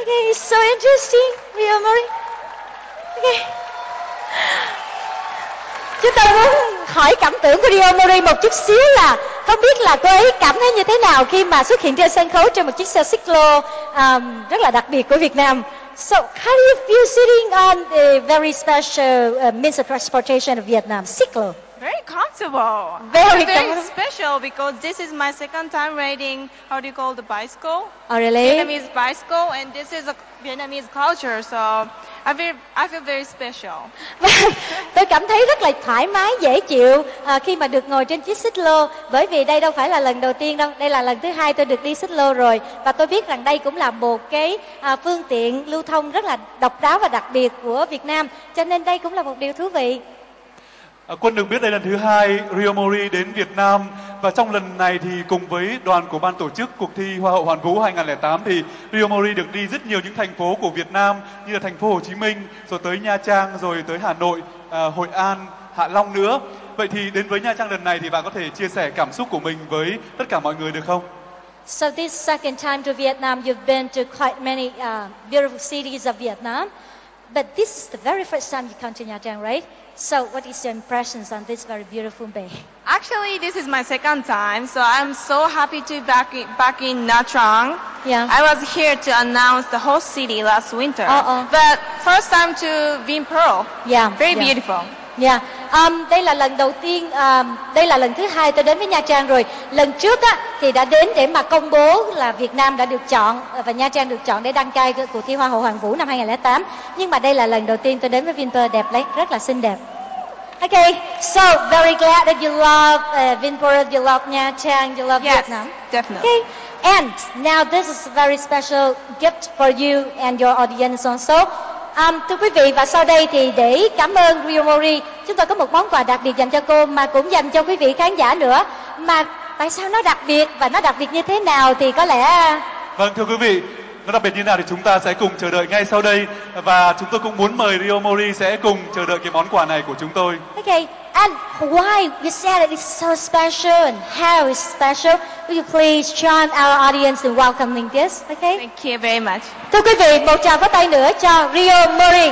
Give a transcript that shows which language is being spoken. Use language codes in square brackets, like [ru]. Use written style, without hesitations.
[en] Okay, it's so interesting, Rio Mori. Okay. [vi] Chúng ta muốn hỏi cảm tưởng của Rio Mori một chút xíu là không biết là cô ấy cảm thấy như thế nào khi mà xuất hiện trên sân khấu trên một chiếc xe xích lô rất là đặc biệt của Việt Nam. [en] So, how do you feel sitting on a very special means of transportation of Vietnam, Ciclo? Very comfortable. Very comfortable. Special because this is my second time riding, how do you call the bicycle? Oh, really? Vietnamese bicycle, and this is a Vietnamese culture, so I feel very special. [vi] Tôi cảm thấy rất là thoải mái, dễ chịu khi mà được ngồi trên chiếc xích lô. Bởi vì đây đâu phải là lần đầu tiên đâu. Đây là lần thứ hai tôi được đi xích lô rồi. Và tôi biết rằng đây cũng là một cái phương tiện lưu thông rất là độc đáo và đặc biệt của Việt Nam. Cho nên đây cũng là một điều thú vị. Quân được biết đây là lần thứ hai Rio Mori đến Việt Nam. Và trong lần này thì cùng với đoàn của ban tổ chức cuộc thi Hoa hậu Hoàn Vũ 2008 thì Rio Mori được đi rất nhiều những thành phố của Việt Nam, như là thành phố Hồ Chí Minh, rồi tới Nha Trang, rồi tới Hà Nội, Hội An, Hạ Long nữa. Vậy thì đến với Nha Trang lần này thì bạn có thể chia sẻ cảm xúc của mình với tất cả mọi người được không? [en] So this second time to Vietnam, you've been to quite many beautiful cities of Vietnam. But this is the very first time you come to Nha Trang, right? So what is your impressions on this very beautiful bay? Actually, this is my second time, so I'm so happy to be back in Nha Trang. Yeah. I was here to announce the whole city last winter. Uh-oh. But first time to Vinh Pearl. Yeah. Very yeah. beautiful. Yeah. [vi] Đây là lần đầu tiên, đây là lần thứ hai tôi đến với Nha Trang rồi. Lần trước á, thì đã đến để mà công bố là Việt Nam đã được chọn và Nha Trang được chọn để đăng cai cuộc thi Hoa hậu Hoàn Vũ năm 2008. Nhưng mà đây là lần đầu tiên tôi đến với Vinh Pearl đẹp đấy, rất là xinh đẹp. [en] Okay, so very glad that you love Vinpearl, you love Nha Trang, you love yes, Vietnam. Yes, definitely. Okay, and now this is a very special gift for you and your audience also. [vi] Thưa quý vị, và sau đây thì để cảm ơn Rio Mori, chúng tôi có một món quà đặc biệt dành cho cô mà cũng dành cho quý vị khán giả nữa. Mà tại sao nó đặc biệt và nó đặc biệt như thế nào thì có lẽ... Vâng, thưa quý vị, nó đặc biệt như nào thì chúng ta sẽ cùng chờ đợi ngay sau đây. Và chúng tôi cũng muốn mời Rio Mori sẽ cùng chờ đợi cái món quà này của chúng tôi. [en] Okay, and why you said it is so special and how it's special? Will you please join our audience in welcoming this, okay? Thank you very much. [vi] Thưa quý vị, một tràng pháo tay nữa cho Rio Mori.